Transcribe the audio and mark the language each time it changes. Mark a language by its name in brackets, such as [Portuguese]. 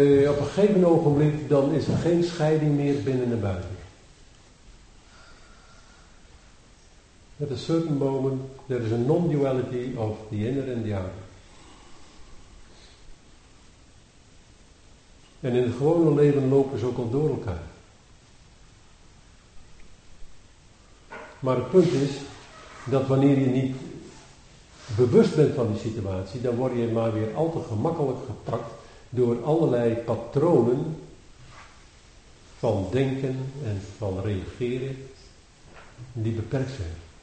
[Dutch] Op een gegeven ogenblik dan is er geen scheiding meer binnen en buiten. [English] At a certain moment there is a non-duality of the inner and the outer. [Dutch] En in het gewone leven lopen ze ook al door elkaar. Maar het punt is dat wanneer je niet bewust bent van die situatie, dan word je maar weer al te gemakkelijk gepakt door allerlei patronen van denken en van reageren die beperkt zijn.